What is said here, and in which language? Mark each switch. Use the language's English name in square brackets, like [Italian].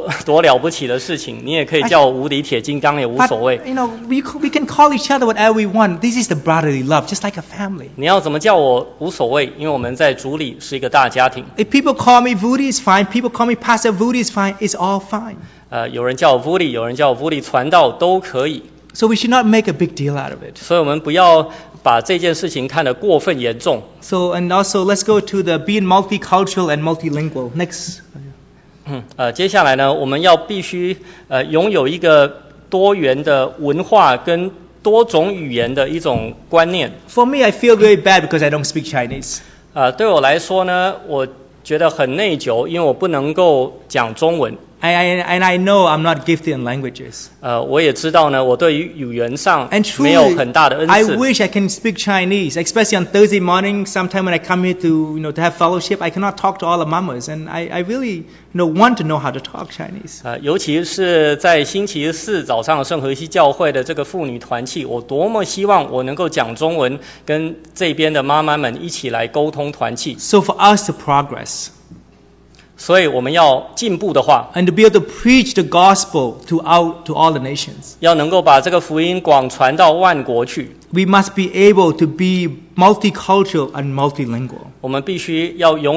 [Chinese] 多了不起的事情, 你也可以叫我无敌铁金刚也无所谓。 [English] You know, we can call each other whatever we want. This is the brotherly love, just like a family. [Chinese] 你要怎么叫我无所谓, 因为我们在主里是一个大家庭。 [English] If people call me Voody, it's fine. People call me Pastor Voody, it's fine. It's all fine. [Chinese] 有人叫我Voody, 有人叫我Voody传道, 都可以。 [English] So we should not make a big deal out of it. [Chinese] 所以我们不要 把这件事情看得过分严重。 [English] So, and also, let's go to the being multicultural and multilingual. Next. [Chinese] 接下来呢, 我们要必须, 拥有一个多元的文化跟多种语言的一种观念。 [English] For me, I feel very bad because I don't speak Chinese. [Chinese] 对我来说呢, 我觉得很内疚, 因为我不能够讲中文。 [English] And I know I'm not gifted in languages. [Chinese] 我也知道呢, 我对于语言上没有很大的恩赐。 [English] And truly, I wish I can speak Chinese, especially on Thursday morning, sometime when I come here to, you know, to have fellowship, I cannot talk to all the mamas, and I really, you know, want to know how to talk Chinese. [Chinese] 尤其是在星期四早上圣何西教会的这个妇女团契, 我多么希望我能够讲中文, 跟这边的妈妈们一起来沟通团契。 [English] So for us to progress, [Chinese] 所以我们要进步的话, [English] and to be able to preach the gospel to all the nations, [Chinese] 要能够把这个福音广传到万国去, [English] we must be able to be multicultural and multilingual.